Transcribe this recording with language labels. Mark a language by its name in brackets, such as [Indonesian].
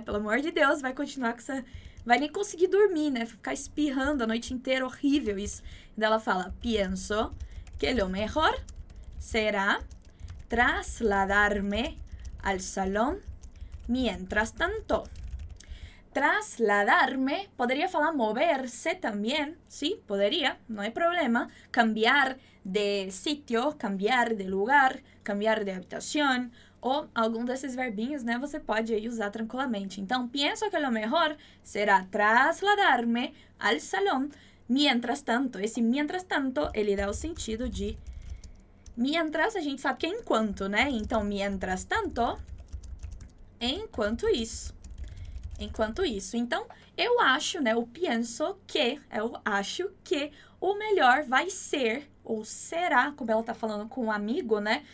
[Portuguese] Pelo amor de Deus, vai continuar com essa... Vai nem conseguir dormir, né? Ficar espirrando a noite inteira, horrível isso. Então ela fala, [Spanish] pienso que lo mejor será trasladarme al salón mientras tanto. [Portuguese] Trasladarme, poderia falar moverse também, sim, poderia, não é problema. [Spanish] Cambiar de sitio, cambiar de [Portuguese] lugar, cambiar de habitação, ou algum desses verbinhos, né, você pode aí usar tranquilamente. [Spanish] Então, pienso que lo mejor será trasladarme al salón mientras tanto. [Portuguese] Esse mientras tanto, ele dá o sentido de... Mientras, a gente sabe que é enquanto, né? Então, mientras tanto, enquanto isso. Enquanto isso. Então, eu acho, né? Eu penso que, eu acho que o melhor vai ser, ou será, como ela tá falando com um amigo, né?